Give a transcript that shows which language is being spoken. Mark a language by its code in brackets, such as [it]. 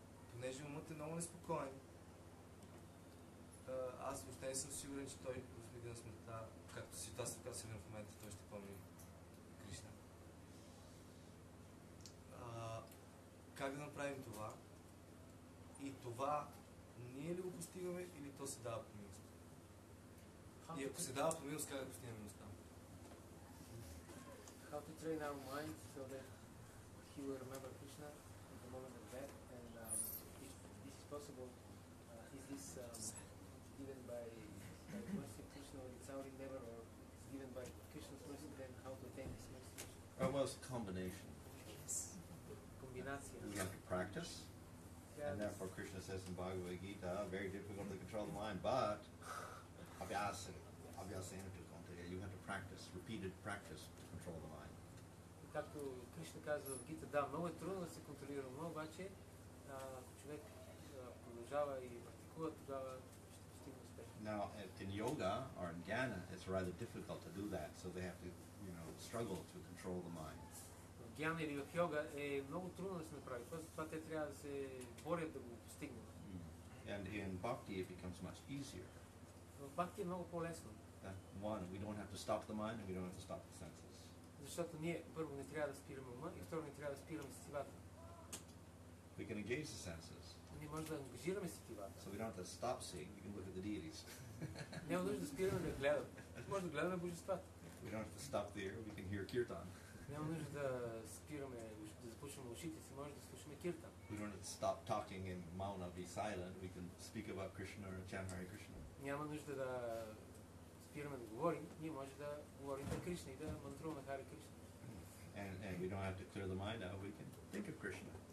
[bg] Понеже умът е много неспокоен, аз въобще не съм сигурен, че той в мига на смъртта, както си това така се в момента, той ще помни Кришна. Как да направим това? И това ние ли го постигаме, или то се дава по милост? И ако се дава по милост, как да постигаме милостта? [en] How to train our mind so that he will remember Krishna at the moment of death, and if this is possible, is this given by the mercy of Krishna, or it's our endeavor, or it's given by Krishna's mercy, then how to attain this mercy? Almost a combination. Yes. We have to practice, yeah, and therefore Krishna says in Bhagavad Gita, very difficult to control the mind, but abhyasana, you have to practice, repeated practice to control the mind. [bg] Както Кришна казва в Гита, да, много е трудно да се контролира, но обаче, ако човек продължава и практикува, тогава ще постигне успех. [en] Now, in yoga or in jnana, it's rather difficult to do that, so they have to, you know, struggle to control the mind. [bg] Гьяна или в йога е много трудно да се направи. Това те трябва да се борят да го постигнат. Mm. [en] And in bhakti it becomes much easier. [bg] В бхакти е много по-лесно. [en] One, we don't have to stop the mind and we don't have to stop the senses. [bg] Защото ние първо не трябва да спираме ума и второ не трябва да спираме сетивата. [en] We can engage the senses. [bg] Ние можем да ангажираме сетивата. [en] So we don't have to stop seeing, we can look at the deities. [bg] Няма нужда да спираме да гледаме. Може да гледаме божествата. [en] We don't have to stop there, we can hear kirtan. [bg] Няма нужда да спираме, да запушваме ушите си, може да слушаме киртан. [en] We don't have to stop talking and mauna be silent. We can speak about Krishna and chant Hare Krishna. [bg] Няма нужда да спираме да говорим, ние може да говорим за Кришна и да мантруваме Хари Кришна. [en] And we don't have to clear the mind out, we can think of Krishna.